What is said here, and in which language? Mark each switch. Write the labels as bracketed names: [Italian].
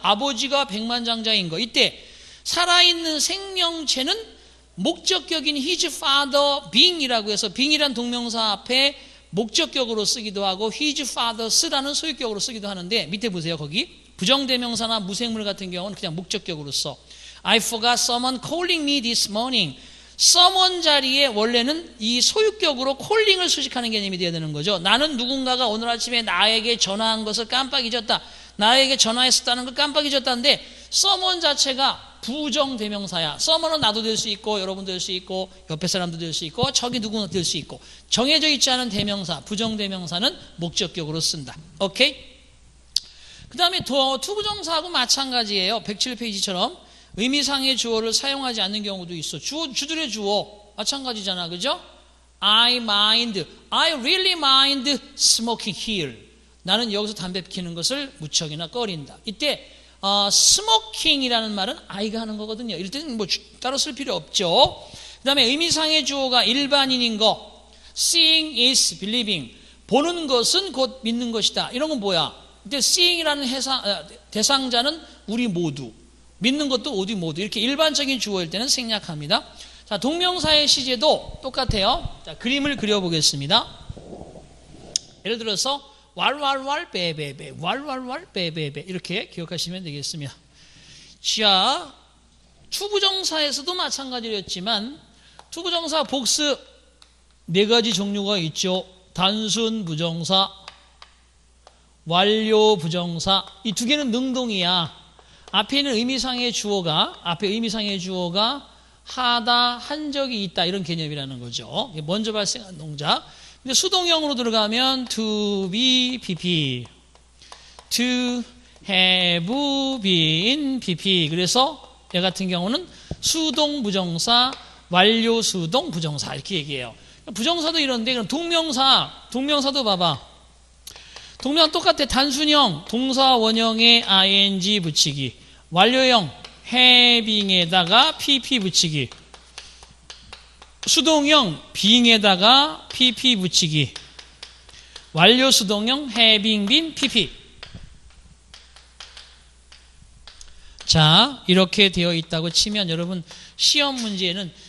[Korean] 아버지가 백만장자인 거. 이때 살아있는 생명체는 목적격인 his father being이라고 해서 being이란 동명사 앞에 목적격으로 쓰기도 하고 his father's라는 소유격으로 쓰기도 하는데 밑에 보세요. 거기 부정대명사나 무생물 같은 경우는 그냥 목적격으로 써. [English] I forgot someone calling me this morning. [Korean] someone 자리에 원래는 이 소유격으로 calling을 수식하는 개념이 되어야 되는 거죠 나는 누군가가 오늘 아침에 나에게 전화한 것을 깜빡 잊었다 나에게 전화했었다는 걸 깜빡 잊었다는데 someone 자체가 부정대명사야 someone은 나도 될 수 있고 여러분도 될 수 있고 옆에 사람도 될 수 있고 저기 누구나 될 수 있고 정해져 있지 않은 대명사 부정대명사는 목적격으로 쓴다 오케이? 그 다음에 투부정사하고 마찬가지예요 107페이지처럼 의미상의 주어를 사용하지 않는 경우도 있어. 주들의 주어. 마찬가지잖아. 그죠? [English] I mind. I really mind smoking here. [Korean] 나는 여기서 담배 피우는 것을 무척이나 꺼린다. 이때 smoking이라는 말은 I가 하는 거거든요. 이럴 때는 뭐 따로 쓸 필요 없죠. 그 다음에 의미상의 주어가 일반인인 거. [English] Seeing is believing. [Korean] 보는 것은 곧 믿는 것이다. 이런 건 뭐야? 이때 seeing이라는 대상자는 우리 모두. 믿는 것도 어디 모두 이렇게 일반적인 주어일 때는 생략합니다. 자 동명사의 시제도 똑같아요. 자 그림을 그려보겠습니다. 예를 들어서 왈왈왈 베베베 왈왈왈 베베베 이렇게 기억하시면 되겠습니다. 자 투부정사에서도 마찬가지였지만 투부정사 복습 네 가지 종류가 있죠. 단순 부정사, 완료 부정사 이 두 개는 능동이야. 앞에 있는 의미상의 주어가 앞에 의미상의 주어가 하다 한 적이 있다 이런 개념이라는 거죠. 먼저 발생한 동작. 근데 수동형으로 들어가면 to be pp, to have been pp. 그래서 얘 같은 경우는 수동 부정사, 완료 수동 부정사 이렇게 얘기해요. 부정사도 이런데 그럼 동명사도 봐봐. 동명사 똑같아. 단순형 동사 원형에 ing 붙이기. 완료형 having에다가 pp 붙이기 수동형 being에다가 pp 붙이기 완료 수동형 having been pp 자 이렇게 되어 있다고 치면 여러분 시험 문제에는